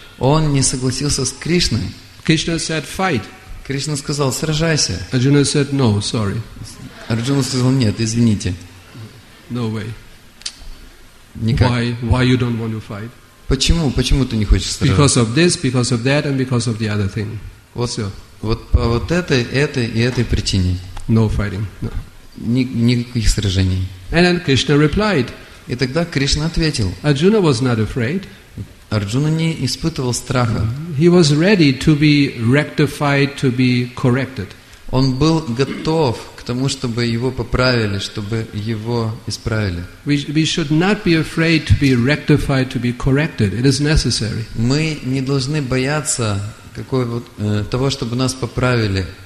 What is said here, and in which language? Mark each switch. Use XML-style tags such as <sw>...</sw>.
<ru>Он не согласился с Кришной.</ru> <en>Krishna said, fight.</en> <ru>Кришна сказал, сражайся.</ru> <en>Arjuna said, no, sorry.</en> <ru>Арджуна сказал, нет, извините.</ru> <en>No way.</en> <ru>Никак.</ru> <en>Why you don't want to fight?</en> <ru>Почему? Почему ты не хочешь сражаться?</ru> <en>Because of this, because of that, and because of the other thing.</en> <ru>Вот все. Вот по вот этой и этой причине.</ru> <en>No fighting. No.</en> <ru>Никаких сражений.</ru> <en>And then Krishna replied.</en> <ru>И тогда Кришна ответил.</ru> <en>Arjuna was not afraid.</en> <ru>Арджуна не испытывал страха.</ru> <en>He was ready to be rectified, to be corrected.</en> <ru>Он был готов к тому, чтобы его поправили, чтобы его исправили.</ru> <en>We should not be afraid to be rectified, to be corrected. It is necessary.</en> <ru>Мы не должны бояться того, чтобы нас поправили.</ru>